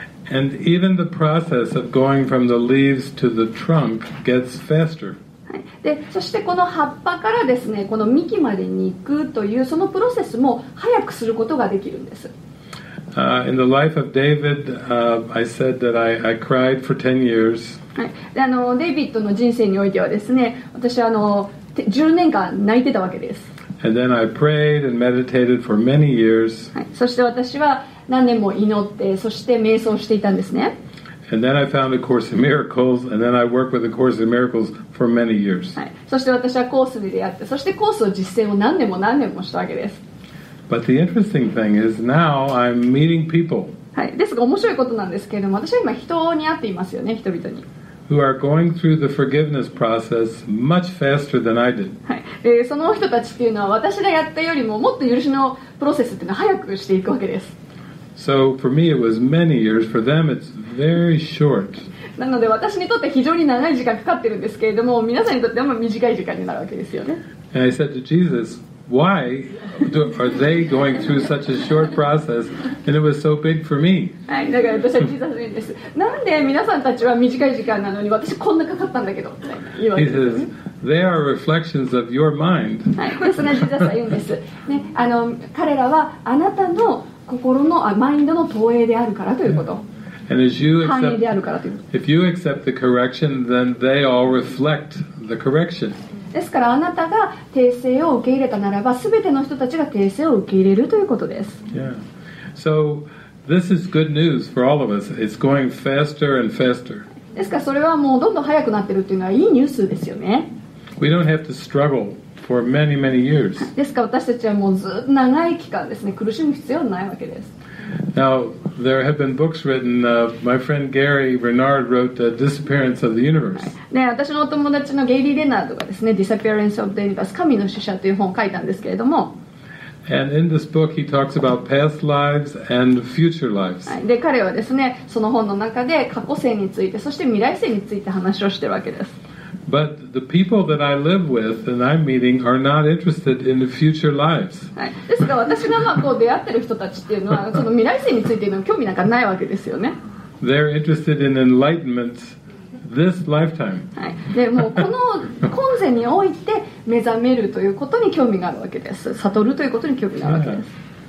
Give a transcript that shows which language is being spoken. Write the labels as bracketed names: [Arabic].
[English] And even the process of going from the leaves to the trunk gets faster. [Japanese] で、そしてこの葉っぱからですね、この幹までに行くというそのプロセスも早くすることができるんです。 [English] In the life of David, I said that I cried for 10 years. [Japanese] はい、で、あの、デイビッドの人生においてはですね、私はあの、10年間泣いてたわけです。 [English] And then I prayed and meditated for many years. [Japanese] はい、そして私は何年も祈って、そして瞑想していたんですね。 [English] And then I found a Course in Miracles, and then I worked with a Course in Miracles for many years. [Japanese] はい。そして私はコースで出会って、そしてコースを実践を何年も何年もしたわけです。 [English] But the interesting thing is now I'm meeting people. [Japanese] はい。ですが面白いことなんですけれども、私は今人に会っていますよね、人々に。 [English] Who are going through the forgiveness process much faster than I did. [Japanese] はい。その人たちっていうのは私がやったよりももっと許しのプロセスっていうのは早くしていくわけです。 [English] So for me it was many years. For them it's very short. [Japanese] なので私にとって非常に長い時間かかってるんですけれども、皆さんにとってはあんま短い時間になるわけですよね。 [English] And I said to Jesus, why are they going through such a short process? And it was so big for me. [Japanese] はい、だから私はジーザスです。なんで皆さんたちは短い時間なのに私こんなかかったんだけど。 [English] He says, they are reflections of your mind. [Japanese] はい、これそのジーザスが言うんです。ね、あの、彼らはあなたの心のマインドの投影であるからということ。 [English] And as you accept, [Japanese] 反映であるからという。 [English] If you accept the correction, then they all reflect the correction. [Japanese] ですからあなたが訂正を受け入れたならば、すべての人たちが訂正を受け入れるということです。 [English] Yeah. So this is good news for all of us. It's going faster and faster. [Japanese] ですからそれはもうどんどん速くなってるっていうのはいいニュースですよね。 [English] We don't have to struggle. For many, many years. [Japanese] ですから私たちはもうずっと長い期間ですね、苦しむ必要はないわけです。 [English] Now, there have been books written, my friend Gary Renard wrote The Disappearance of the Universe. [Japanese] ね、私のお友達のゲイリー・レナードがですね、Disappearance of the Universe、神の使者という本を書いたんですけれども。 [English] And in this book, he talks about past lives and future lives. [Japanese] はい、で、彼はですね、その本の中で過去生について、そして未来生について話をしてるわけです。 [English] But the people that I live with and I'm meeting are not interested in the future lives. [Japanese] ですが私がまあこう出会ってる人たちっていうのはその未来性についての興味なんかないわけですよね。 [English] They're interested in enlightenment this lifetime. [Japanese] でもこの今世において目覚めるということに興味があるわけです。悟るということに興味があるわけです。